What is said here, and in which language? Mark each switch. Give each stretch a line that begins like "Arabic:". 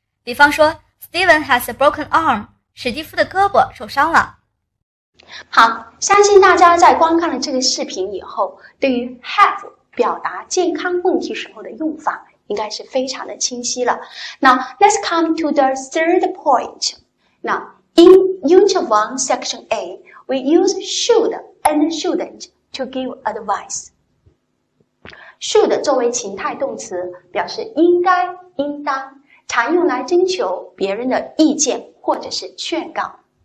Chinese: 比方说
English: Steven has a broken arm,
Chinese: 史蒂夫的胳膊受伤了。好，相信大家在观看了这个视频以后，对于 have 表达健康问题时候的用法应该是非常的清晰了。
English: Now, let's come to the third point. Now, in Unit 1, Section A, we use should and shouldn't to give advice.
Chinese: Should 作为情态动词，表示应该、应当，常用来征求别人的意见或者是劝告。